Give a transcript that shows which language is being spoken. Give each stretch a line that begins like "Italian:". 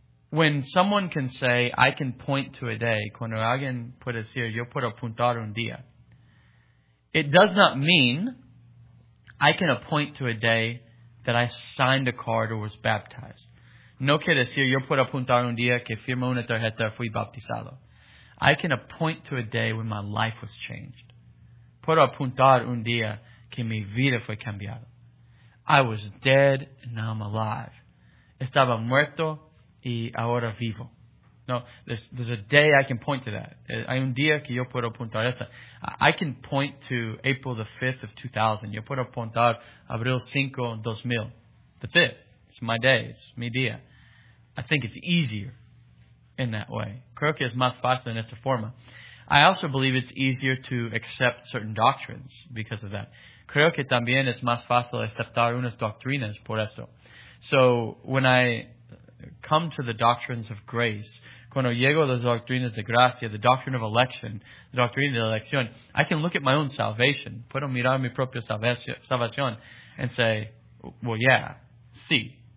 English: When someone can say, I can point to a day,
Spanish: cuando alguien puede decir, yo puedo apuntar un día,
English: it does not mean I can point to a day that I signed a card or was baptized.
Spanish: No quiere decir, yo puedo apuntar un día que firmé una tarjeta y fui bautizado.
English: I can point to a day when my life was changed.
Spanish: Puedo apuntar un día que mi vida fue cambiada.
English: I was dead and now I'm alive.
Spanish: Estaba muerto y ahora vivo.
English: No, there's a day I can point to that.
Spanish: Hay un día que yo puedo apuntar esa.
English: I can point to April the 5th of 2000.
Spanish: Yo puedo apuntar Abril 5, 2000.
English: That's it. It's my day.
Spanish: It's mi día.
English: I think it's easier in that way.
Spanish: Creo que es más fácil en esta forma.
English: I also believe it's easier to accept certain doctrines because of that.
Spanish: Creo que también es más fácil aceptar unas doctrinas por esto.
English: So, when I come to the doctrines of grace,
Spanish: cuando llego a las doctrinas de gracia,
English: the doctrine of election, the doctrine of elección, I can look at my own salvation.
Spanish: Puedo mirar mi propia salvación
English: and say, well, yeah,
Spanish: sí.